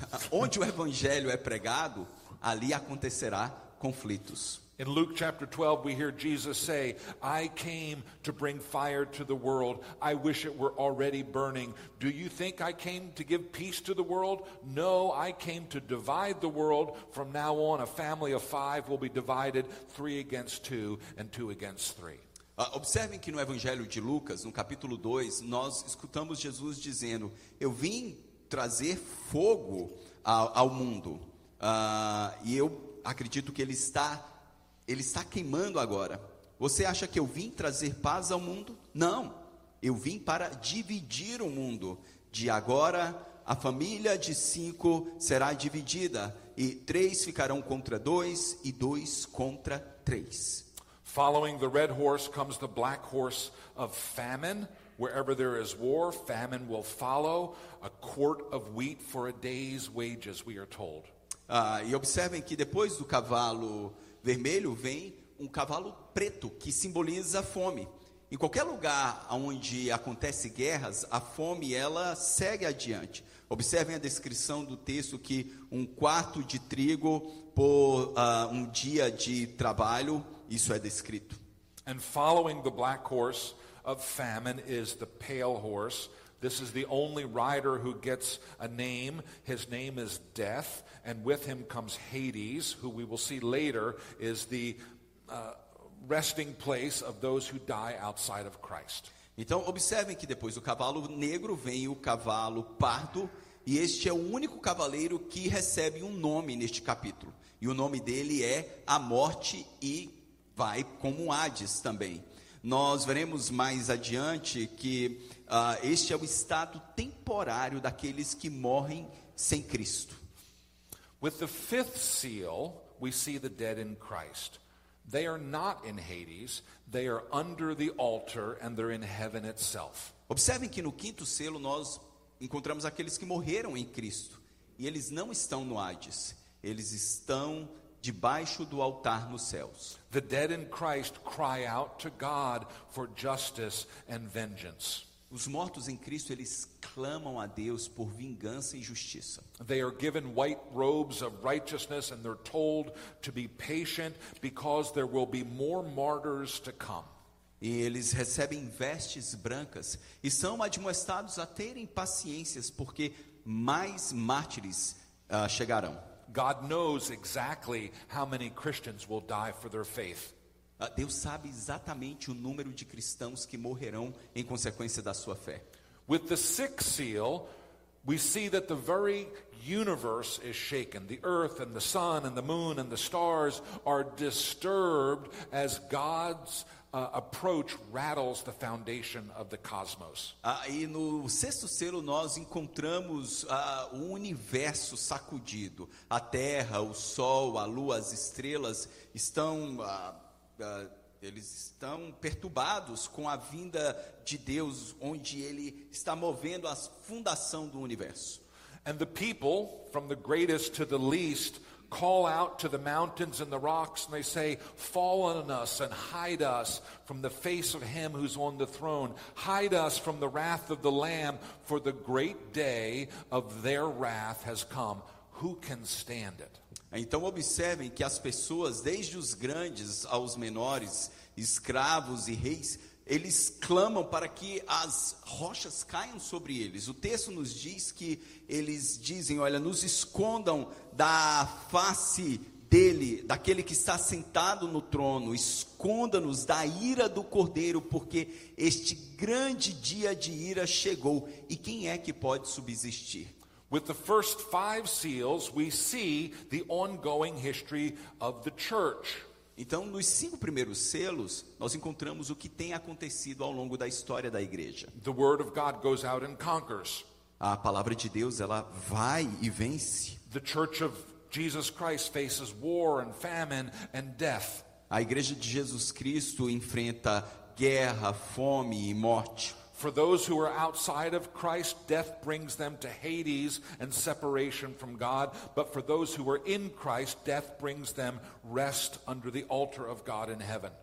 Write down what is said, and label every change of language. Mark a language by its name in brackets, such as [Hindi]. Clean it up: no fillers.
[Portuguese] onde o evangelho é pregado, ali acontecerá conflitos. [English] In Luke chapter 12, we hear Jesus say, I came to bring fire to the world. I wish it were already burning. Do you think I came to give peace to the world? No, I came to divide the world. From now on, a family of five will be divided, 3 against 2 and 2 against 3. [Portuguese] Observem que no Evangelho de Lucas, no capítulo 2, nós escutamos Jesus dizendo, eu vim trazer fogo ao mundo. E eu acredito que ele está queimando agora. Você acha que eu vim trazer paz ao mundo? Não, eu vim para dividir o mundo. De agora, a família de 5 será dividida, e 3 ficarão contra 2 e 2 contra 3. [English] Following the red horse comes the black horse of famine. Wherever there is war, famine will follow. A quart of wheat for a day's wages, we are told. [Portuguese] E observem que depois do cavalo vermelho vem um cavalo preto, que simboliza a fome. Em qualquer lugar onde acontece guerras, a fome ela segue adiante. Observem a descrição do texto que um quarto de trigo por um dia de trabalho, isso é descrito. [English] And following the black horse of famine is the pale horse. This is the only rider who gets a name. His name is Death. And with him comes Hades, who we will see later is the resting place of those who die outside of Christ. [Portuguese] Então, observem que depois do cavalo negro vem o cavalo pardo, e este é o único cavaleiro que recebe um nome neste capítulo. E o nome dele é a morte, e vai como Hades também. Nós veremos mais adiante que este é o estado temporário daqueles que morrem sem Cristo. [English] With the fifth seal, we see the dead in Christ. They are not in Hades, they are under the altar and they're in heaven itself. [Portuguese] Observem que no quinto selo nós encontramos aqueles que morreram em Cristo, e eles não estão no Hades, eles estão debaixo do altar nos céus. [English] The dead in Christ cry out to God for justice and vengeance. [Portuguese] Os mortos em Cristo, eles clamam a Deus por vingança e justiça. [English] They are given white robes of righteousness and they're told to be patient because there will be more martyrs to come. [Portuguese] E eles recebem vestes brancas e são admoestados a terem paciências porque mais mártires chegarão. [English] God knows exactly how many Christians will die for their faith. [Portuguese] Deus sabe exatamente o número de cristãos que morrerão em consequência da sua fé. [English] With the sixth seal, we see that the very universe is shaken. The earth and the sun and the moon and the stars are disturbed as God's approach rattles the foundation of the cosmos. [Portuguese] E no sexto selo nós encontramos o universo sacudido. A terra, o sol, a lua, as estrelas estão eles estão perturbados com a vinda de Deus, onde ele está movendo a fundação do universo. [English] And the people, from the greatest to the least, call out to the mountains and the rocks, and they say, fall on us and hide us from the face of him who's on the throne. Hide us from the wrath of the Lamb, for the great day of their wrath has come. Who can stand it? [Portuguese] Então observem que as pessoas, desde os grandes aos menores, escravos e reis, eles clamam para que as rochas caiam sobre eles. O texto nos diz que eles dizem, olha, nos escondam da face dele, daquele que está sentado no trono, esconda-nos da ira do Cordeiro, porque este grande dia de ira chegou, e quem é que pode subsistir? [English] With the first five seals, we see the ongoing history of the church. [Portuguese] Então, nos cinco primeiros selos, nós encontramos o que tem acontecido ao longo da história da igreja. [English] The word of God goes out and conquers. [Portuguese] A palavra de Deus, ela vai e vence. [English] The church of Jesus Christ faces war and famine and death. [Portuguese] A igreja de Jesus Cristo enfrenta guerra, fome e morte. [English] For those who are outside of Christ, death brings them to Hades and separation from God. But for those who are in Christ, death brings them rest under the altar of God in heaven.